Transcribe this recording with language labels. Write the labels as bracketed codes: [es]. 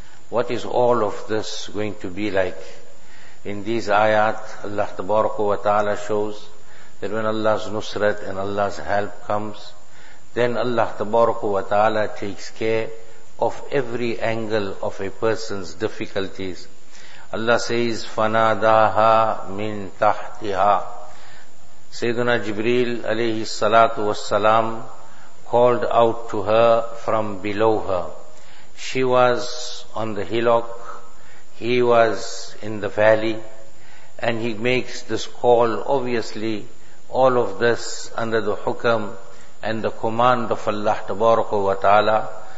[en] What is all of this going to be like? In these ayat, Allah tabaraka wa ta'ala shows that when Allah's nusrat and Allah's help comes, then Allah tabaraka wa ta'ala takes care of every angle of a person's difficulties. Allah says, [ar] فَنَادَاهَا مِن تَحْتِهَا. [en] Sayyiduna Jibreel alayhi salatu wassalam called out to her from below her. She was on the hillock, he was in the valley, and he makes this call. Obviously, all of this under the hukam and the command of Allah tabaraka wa ta'ala.